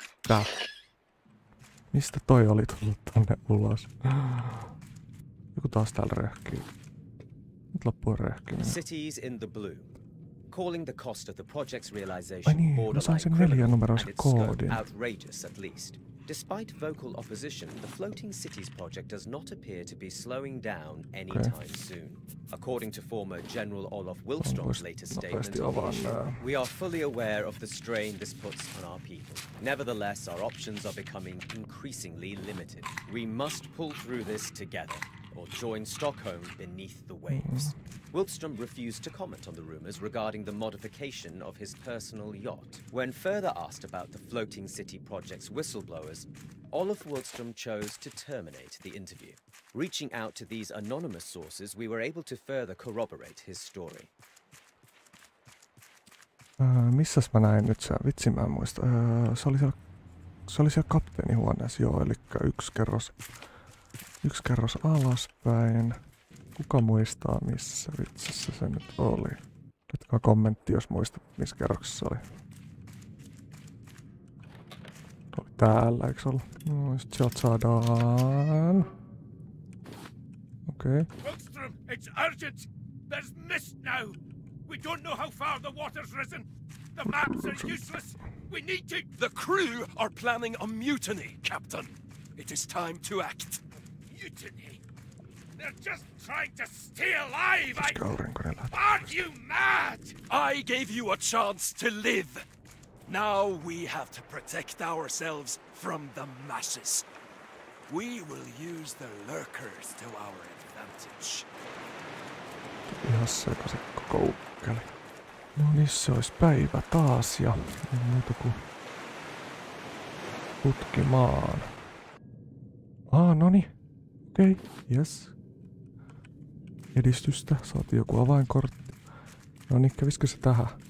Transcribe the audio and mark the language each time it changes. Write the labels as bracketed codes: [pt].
[fi] Mitä? Mistä toi oli tullut tänne ulos? Joku taas täällä röhkii. Nyt loppuun röhkiminen. [en] Cities in the blue. Calling the cost of the project's realization borderline criminal outrageous at least. Despite vocal opposition, the Floating Cities project does not appear to be slowing down anytime soon. According to former General Olof Wilstrom's latest statement, we are fully aware of the strain this puts on our people. Nevertheless, our options are becoming increasingly limited. We must pull through this together. Or join Stockholm beneath the waves. Mm-hmm. Wilstrom refused to comment on the rumors regarding the modification of his personal yacht. When further asked about the Floating City project's whistleblowers, Olof Wilstrom chose to terminate the interview. Reaching out to these anonymous sources, we were able to further corroborate his story. [fi] Missäs mä näin nyt sen? Vitsi, mä en muista. Se oli siellä kapteeni huoneessa, joo, eli yksi kerros. Yksi kerros alaspäin. Kuka muistaa, missä vitsissä se nyt oli? Laitakaa kommentti, jos muistat, missä kerroksessa oli. Oli täällä, eikö se ollut? No, sit sieltä saadaan. Okei. [en] Okay. Wilstrom, it's urgent! There's mist now! We don't know how far the water's risen! The maps are useless! We need to... The crew are planning a mutiny, Captain! It is time to act! They're just trying to stay alive. Aren't you mad? I gave you a chance to live. Now we have to protect ourselves from the masses. We will use the lurkers to our advantage. [fi] Ihan sekaisin koko ukkeli. No niin, se olisi päivä taas ja muuta kuin tutkimaan. Ah, no niin. Okei, okay. Yes. Edistystä, saati joku avainkortti. No niin, kävisikö se tähän?